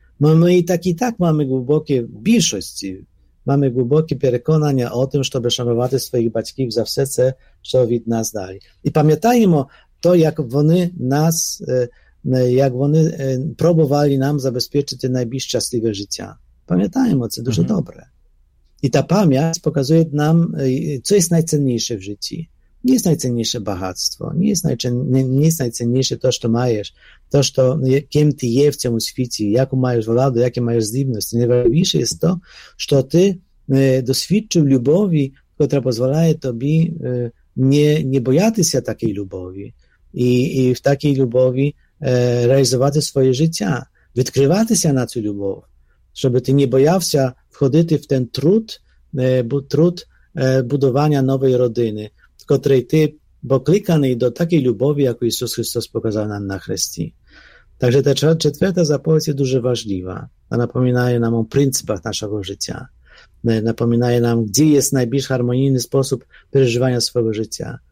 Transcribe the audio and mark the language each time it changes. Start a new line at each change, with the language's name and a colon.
Ukrainian: Ми і так маємо глибокі більшості, маємо глибокі переконання о тим, щоб шанувати своїх батьків за все це, що від нас дали. І пам'ятаємо то, як вони нас, як вони пробували нам забезпечити найбільш щасливе життя. Пам'ятаємо, це дуже добре. І та пам'ять показує нам, що є найцінніше в житті.
Polish: Nie jest najcenniejsze bogactwo, nie jest najcenniejsze to, co masz, to, co, kim ty jesteś w tym świecie, jaką masz władzę, jakie masz zdolności. Najważniejsze jest to, że ty doświadczył miłości, która pozwala tobie nie bać się takiej miłości i w takiej miłości realizować swoje życie, odkrywać się na tę miłość, żeby ty nie bał się wchodzić w ten trud, trud budowania nowej rodziny,
Ukrainian: котрий ти покликаний до такої любові, яку Ісус Христос показав нам на хресті. Также та четверта заповідь є дуже важлива. Вона напоминає нам о принципах нашого життя. Напоминає нам, де є найбільш гармонійний спосіб переживання свого життя.